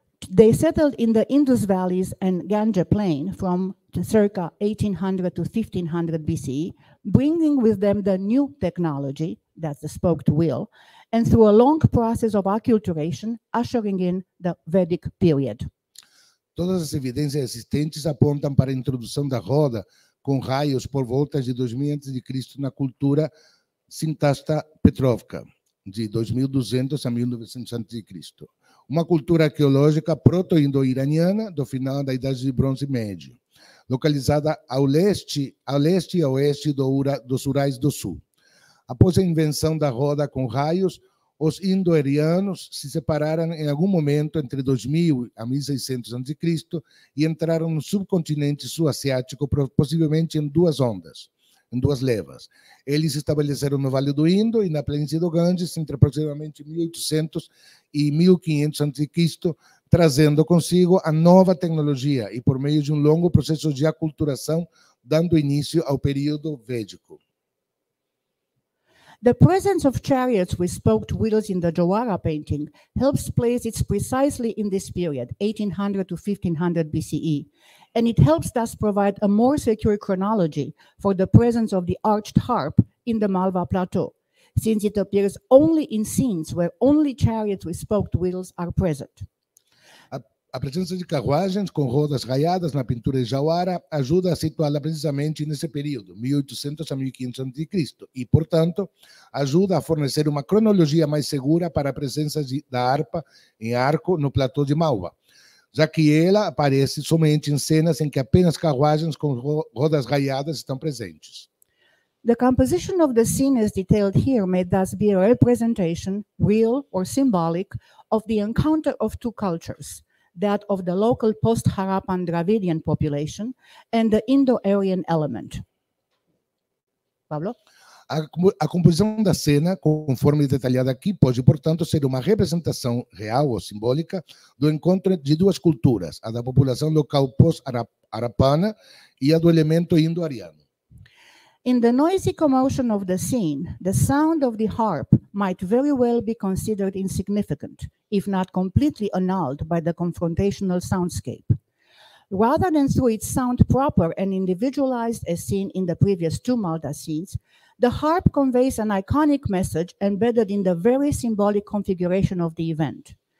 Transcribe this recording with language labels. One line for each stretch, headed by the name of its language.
English: They settled in the Indus Valleys and Ganga Plain from circa 1800 to 1500 BCE, bringing with them the new technology, that's the spoked wheel, and through a long process of acculturation, ushering in the Vedic period.
Portuguese: Todas as evidências existentes apontam para a introdução da roda com raios por volta de 2000 a.C. na cultura Shintashta Petrovka, de 2200 a 1900 a.C. Uma cultura arqueológica proto-indo-iraniana do final da Idade de Bronze Médio, localizada a leste e a oeste dos Urais do Sul. Após a invenção da roda com raios, os indo-arianos se separaram em algum momento entre 2000 a 1600 a.C. e entraram no subcontinente sul-asiático, possivelmente em duas ondas, em duas levas. Eles se estabeleceram no Vale do Indo e na planície do Ganges entre aproximadamente 1800 e 1500 a.C., trazendo consigo a nova tecnologia e por meio de um longo processo de aculturação, dando início ao período védico.
English: The presence of chariots with spoked wheels in the Jajowara painting helps place it precisely in this period, 1800 to 1500 BCE, and it helps thus provide a more secure chronology for the presence of the arched harp in the Malwa Plateau, since it appears only in scenes where only chariots with spoked wheels are present.
Portuguese: A presença de carruagens com rodas raiadas na pintura de Jajowara ajuda a situá-la precisamente nesse período, 1800 a 1500 a.C., e, portanto, ajuda a fornecer uma cronologia mais segura para a presença da harpa em arco no platô de Malwa, já que ela aparece somente em cenas em que apenas carruagens com rodas raiadas estão presentes.
English: The composition of the scene as detailed here may thus be a representation, real or symbolic, of the encounter of two cultures, that of the local post-Harappan Dravidian population and the Indo-Aryan element. Pablo?
Portuguese: A composição da cena, conforme detalhada aqui, pode, portanto, ser uma representação real ou simbólica do encontro de duas culturas, a da população local post-Harappana e a do elemento Indo-Ariano.
English: In the noisy commotion of the scene, the sound of the harp might very well be considered insignificant, if not completely annulled by the confrontational soundscape. Rather than through its sound proper and individualized as seen in the previous two Malda scenes, the harp conveys an iconic message embedded in the very symbolic configuration of the event.